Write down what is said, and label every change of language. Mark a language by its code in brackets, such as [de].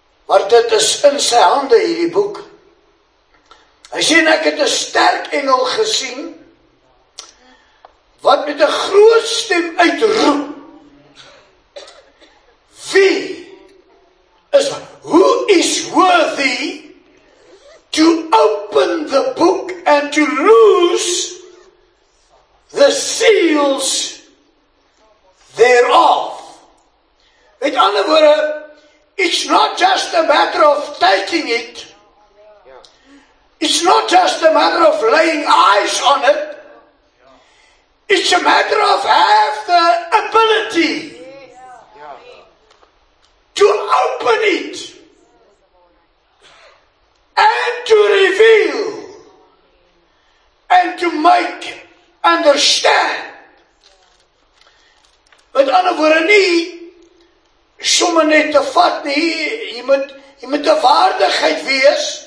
[af] Maar dit is in sy hande hierdie boek. Hy sê, en ek het 'n sterk engel gesien wat met 'n groot stem uitroep. Wie is, [en] who is worthy to open the book and to loose the seals thereof. In other words, it's not just a matter of taking it. It's not just a matter of laying eyes on it. It's a matter of have the ability to open it and to reveal and to make understand. [af] Met ander woorde nie somme net te vat nie, jy moet 'n waardigheid wees.